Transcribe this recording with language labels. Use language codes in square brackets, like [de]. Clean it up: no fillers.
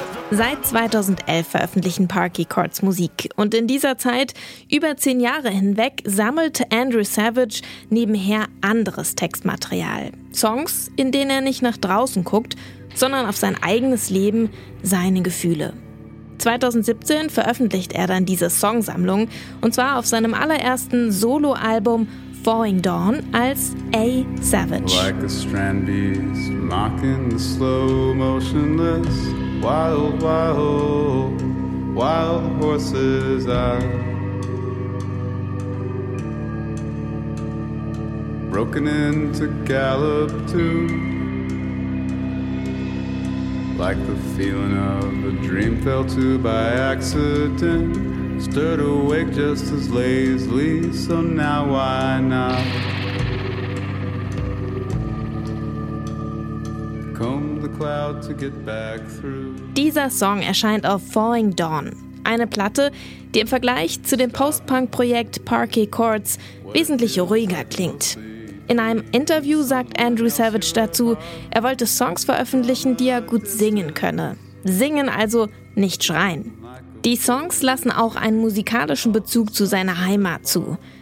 [de] Seit 2011 veröffentlichen Parquet Courts Musik und in dieser Zeit, über 10 Jahre hinweg, sammelt Andrew Savage nebenher anderes Textmaterial. Songs, in denen er nicht nach draußen guckt, sondern auf sein eigenes Leben, seine Gefühle. 2017 veröffentlicht er dann diese Songsammlung und zwar auf seinem allerersten Soloalbum Falling Dawn als A. Savage. [en] Like a strand beast mocking the slow motionless wild, wild, wild horses are broken into gallop too. Like the feeling of a dream fell to by accident, stirred awake just as lazily, so now why not comb the cloud to get back through. [de] Dieser Song erscheint auf Falling Dawn, eine Platte, die im Vergleich zu dem Post-Punk-Projekt Parquet Courts wesentlich ruhiger klingt. In einem Interview sagt Andrew Savage dazu, er wollte Songs veröffentlichen, die er gut singen könne. Singen also, nicht schreien. Die Songs lassen auch einen musikalischen Bezug zu seiner Heimat zu.